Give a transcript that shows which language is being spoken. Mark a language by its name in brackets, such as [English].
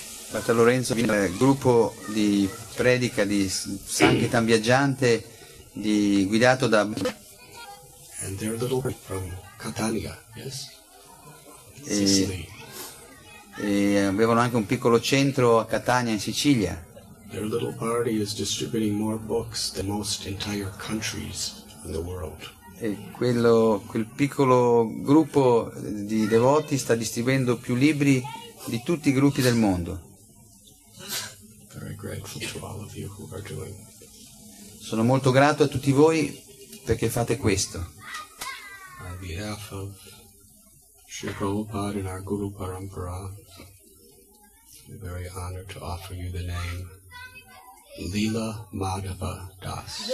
[Italian] Padre Lorenzo viene dal gruppo di predica di Sankirtan viaggiante di guidato da [English] and they're the Lord from Catania, yes? [Italian] E avevano anche un piccolo centro a Catania in Sicilia. [English] Their little party is distributing more books than most entire countries in the world. [Italian] E quel piccolo gruppo di devoti sta distribuendo più libri di tutti i gruppi del mondo. [English] Very grateful to all of you who are doing. [Italian] Sono molto grato a tutti voi perché fate questo. [English] On behalf of Sri Prabhupada and our Guru Parampara, we're very honored to offer you the name Lila Madhava Das.